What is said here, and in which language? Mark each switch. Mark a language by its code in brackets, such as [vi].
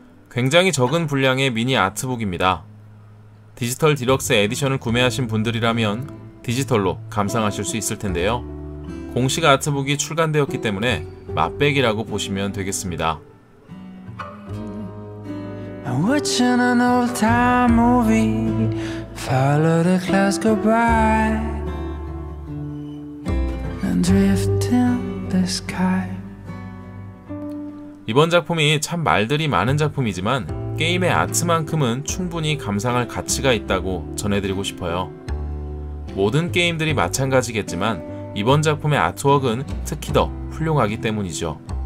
[ko] 굉장히 적은 분량의 미니 아트북입니다. 디지털 디럭스 에디션을 구매하신 분들이라면 디지털로 감상하실 수 있을 텐데요. 공식 아트북이 출간되었기 때문에 맛백이라고 보시면 되겠습니다. [en] I'm watching an old time movie, follow the clouds go by, and drift in the sky. [ko] 이번 작품이 참 말들이 많은 작품이지만 게임의 아트만큼은 충분히 감상할 가치가 있다고 전해드리고 싶어요. 모든 게임들이 마찬가지겠지만 이번 작품의 아트웍은 특히 더 훌륭하기 때문이죠.